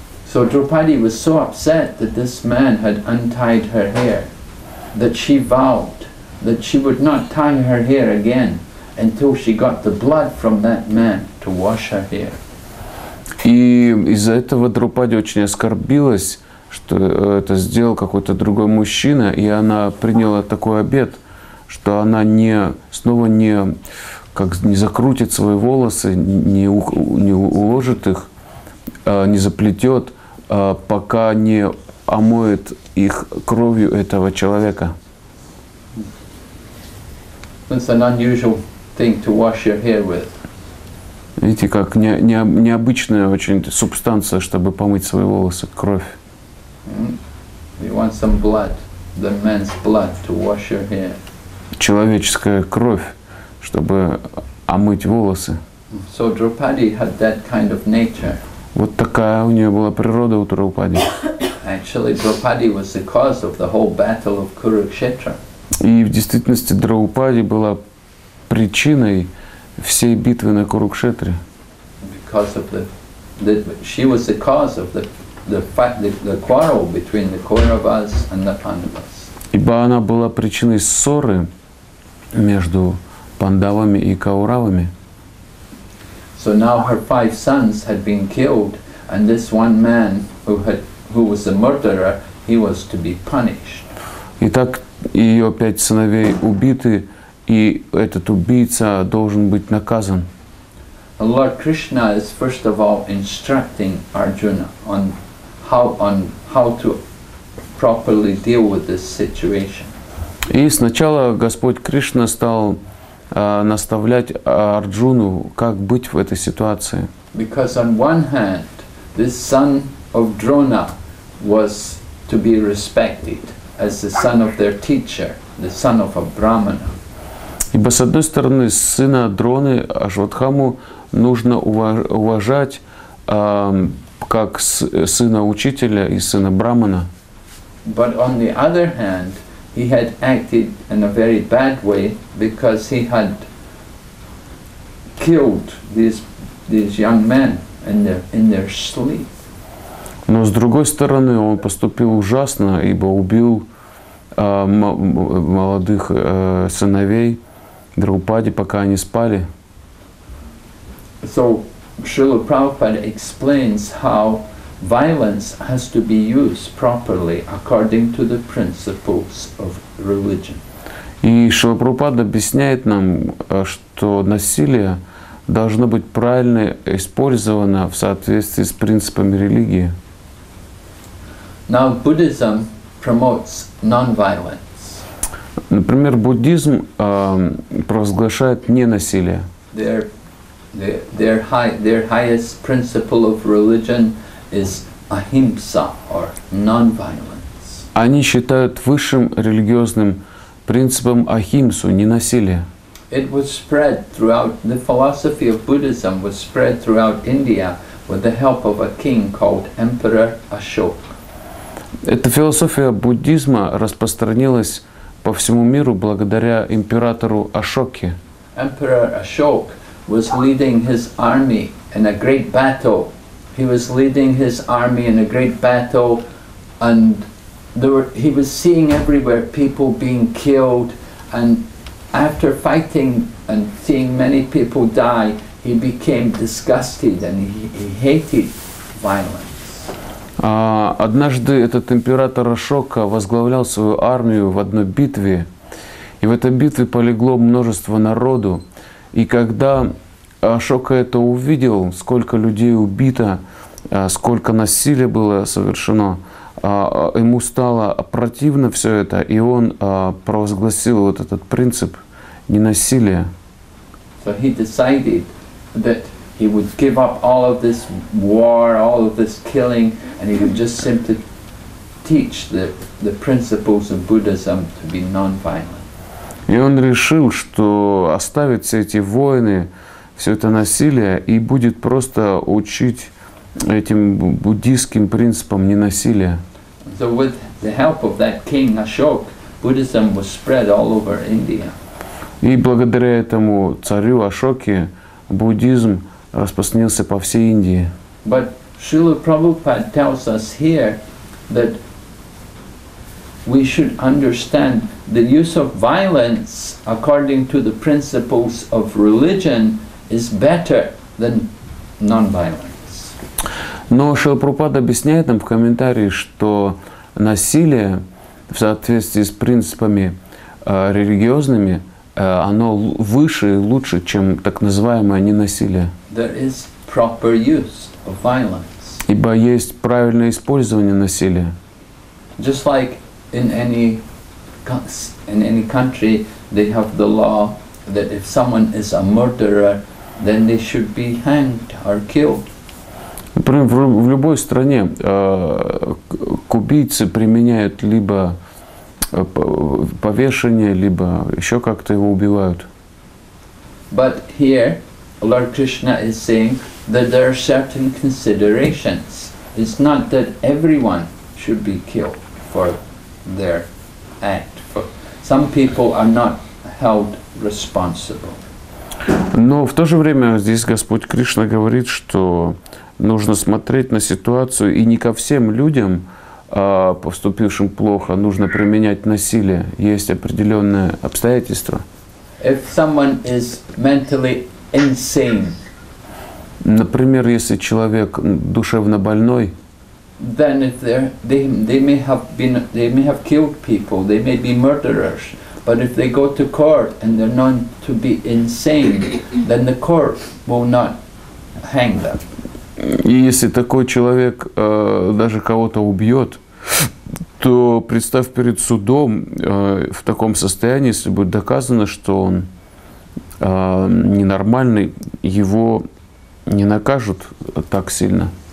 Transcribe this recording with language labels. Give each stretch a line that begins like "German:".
English: So Draupadi was so upset that this man had untied her hair, that she vowed that she would not tie her hair again until she got the blood from that man to wash her hair.
Russian: И из-за этого Драупади очень оскорбилась, что это сделал какой-то другой мужчина, и она приняла такой обет, что она не снова не как не закрутит свои волосы, не уложит их, не заплетет, пока не омоет их кровью этого человека.
English: It's an unusual thing to wash your hair with.
Russian: Видите, как необычная очень субстанция, чтобы помыть свои волосы, кровь.
English: You want some blood, the man's blood to wash your hair.
Russian: Человеческая кровь, чтобы омыть волосы.
English: So Draupadi had that kind of nature.
Russian: Вот такая у нее была природа у Драупади.
English: Actually, Draupadi was the cause of the whole battle of Kurukshetra.
Russian: И в действительности Драупади была причиной всей битвы на Курукшетре.
English: Because of the she was the cause of the quarrel between the Kauravas and the Pandavas.
Russian: Ибо она была причиной ссоры между Пандавами и Кауравами.
English: So now her five sons had been killed, and this one man who was the murderer, he was to be punished.
Russian: Итак, ее пять сыновей убиты, и этот убийца должен быть наказан.
English: Lord Krishna is first of all instructing Arjuna on how to properly deal with this situation.
Russian: И сначала Господь Кришна стал наставлять Арджуну, как быть в этой ситуации.
English: Because on one hand, this son of Drona was to be respected as the son of their teacher, the son of a brahmana.
Russian: Ибо с одной стороны, сына Дроны Ашватхаму нужно уважать как сына учителя и сына брахмана.
English: But on the other hand, he had acted in a very bad way because he had killed these young men in their sleep.
Russian: Но с другой стороны, он поступил ужасно, ибо убил молодых сыновей Драупади, пока они спали.
English: So Srila Prabhupada explains how violence has to be used properly according to the principles of religion.
Russian: И Шрила Прабхупада объясняет нам, что насилие должно быть правильно использовано в соответствии с принципами религии.
English: Now Buddhism promotes non-violence.
Russian: Например, буддизм провозглашает ненасилие.
English: Their highest principle of religion is ahimsa or non-violence.
Russian: Они считают высшим религиозным принципом ахимсу, ненасилие.
English: It was spread throughout the philosophy of Buddhism was spread throughout India with the help of a king called Emperor Ashok.
Russian: Эта философия буддизма распространилась по всему миру благодаря императору Ашоке.
English: Emperor Ashok was leading his army in a great battle. He was leading his army in a great battle, and he was seeing everywhere people being killed. And after fighting and seeing many people die, he became disgusted and he hated violence.
Russian: Однажды этот император Ашока возглавлял свою армию в одной битве, и в этой битве полегло множество народу. И когда Ашока это увидел, сколько людей убито, сколько насилия было совершено, ему стало противно все это, и он провозгласил вот этот принцип ненасилия.
English: So he decided that he would give up all of this war, all of this killing, and he would just simply teach the principles of Buddhism to be non-violent.
Russian: И он решил, что оставит все эти войны, все это насилие и будет просто учить этим буддийским принципам ненасилия.
English: So with the help of that king Ashok, Buddhism was spread all over India.
Russian: И благодаря этому царю Ашоке буддизм распространился по всей Индии.
English: But Srila Prabhupada tells us here that we should understand the use of violence according to the principles of religion is better than non-violence.
Russian: Но Шрила Прабхупада объясняет нам в комментарии, что насилие в соответствии с принципами религиозными оно выше и лучше, чем так называемое ненасилие.
English: There is proper use of violence.
Russian: Ибо есть правильное использование насилия.
English: Just like in any country, they have the law that if someone is a murderer, then they should be hanged or killed.
Russian: Например, в любой стране к убийце применяют либо повешение, либо еще как-то его убивают.
English: But here, Lord Krishna is saying that there are certain considerations. It's not that everyone should be killed for their act. Some people are not held responsible.
Russian: Но в то же время здесь Господь Кришна говорит, что нужно смотреть на ситуацию и не ко всем людям, поступившим плохо, нужно применять насилие. Есть определенные обстоятельства.
English: If someone is mentally insane,
Russian: например, если человек душевно больной,
English: then if they may have killed people, they may be murderers, but if they go to court and they're known to be insane, then the court will not hang them.
Russian: И если такой человек даже кого-то убьет, то представь перед судом в таком состоянии, если будет доказано, что он ненормальный, его не накажут так сильно.